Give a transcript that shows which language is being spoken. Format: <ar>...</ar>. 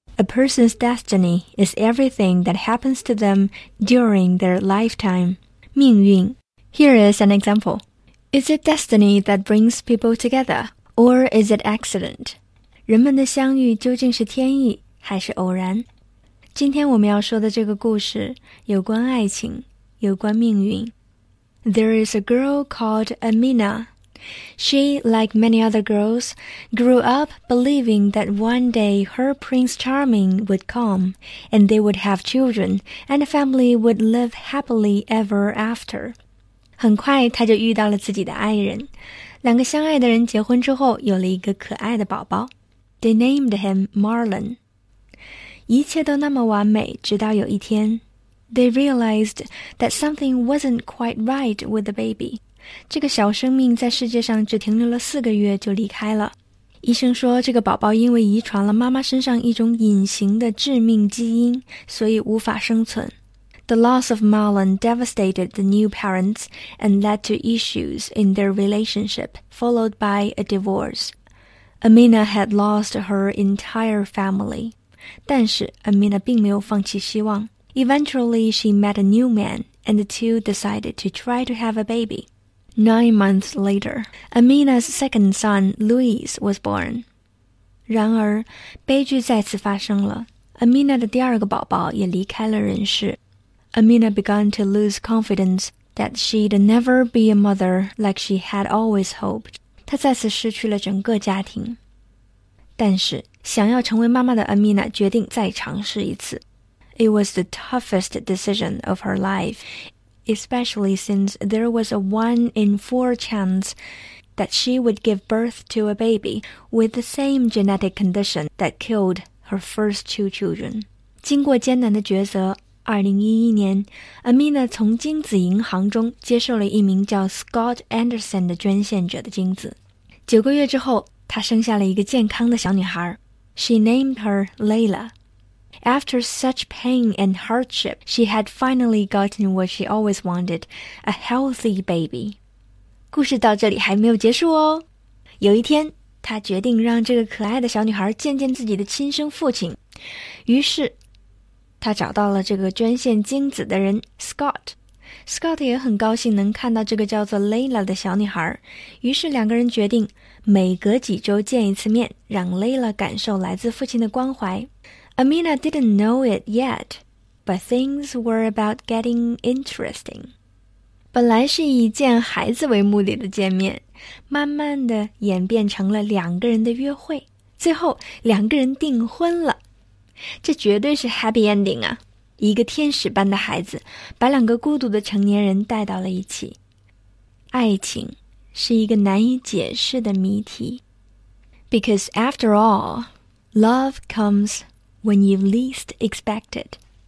<en>A person's destiny is everything that happens to them during their lifetime. 命运.Here is an example. Is it destiny that brings people together, or is it accident?</en> <zh>人们的相遇究竟是天意还是偶然？今天我们要说的这个故事有关爱情。有关命运。</zh> <en>There is a girl called Amina. She, like many other girls, grew up believing that one day her Prince Charming would come, and they would have children, and a family would live happily ever after.</en> <zh>很快她就遇到了自己的爱人。两个相爱的人结婚之后有了一个可爱的宝宝。</zh> <en>They named him Marlon.</en> <zh>一切都那么完美直到有一天。</zh> <en>They realized that something wasn't quite right with the baby.</en> <zh>这个小生命在世界上只停留了四个月就离开了。医生说这个宝宝因为遗传了妈妈身上一种隐形的致命基因，所以无法生存。</zh> <en>The loss of Marlon devastated the new parents and led to issues in their relationship, followed by a divorce. Amina had lost her entire family.</en> <zh>但是 Amina 并没有放弃希望。</zh> <en>Eventually, she met a new man, and the two decided to try to have a baby. 9 months later, Amina's second son, Luis, was born.</en> <zh>然而,悲剧再次发生了。Amina 的第二个宝宝也离开了人世。</zh> <en>Amina began to lose confidence that she'd never be a mother like she had always hoped.</en> <zh>她再次失去了整个家庭。但是,想要成为妈妈的 Amina 决定再尝试一次。</zh> <en>It was the toughest decision of her life, especially since there was a 1 in 4 chance that she would give birth to a baby with the same genetic condition that killed her first 2 children.</en> <zh>经过艰难的抉择，2011年，Amina 从精子银行中接受了一名叫 Scott Anderson 的捐献者的精子。九个月之后，她生下了一个健康的小女孩。</zh> <en>She named her Layla. After such pain and hardship, she had finally gotten what she always wanted, a healthy baby.</en> <zh>故事到这里还没有结束哦。有一天，她决定让这个可爱的小女孩见见自己的亲生父亲。于是，她找到了这个捐献精子的人 Scott。 Scott 也很高兴能看到这个叫做 Layla 的小女孩。于是两个人决定每隔几周见一次面，让 Layla 感受来自父亲的关怀。</zh> <en>Amina didn't know it yet, but things were about getting interesting.</en> <zh>本来是以见孩子为目的的见面，慢慢的演变成了两个人的约会，最后两个人订婚了。这绝对是</zh> <en>happy ending</en> <zh>啊！一个天使般的孩子，把两个孤独的成年人带到了一起。爱情是一个难以解释的谜题。</zh> <en>Because after all, love comes when you least expect it.</en>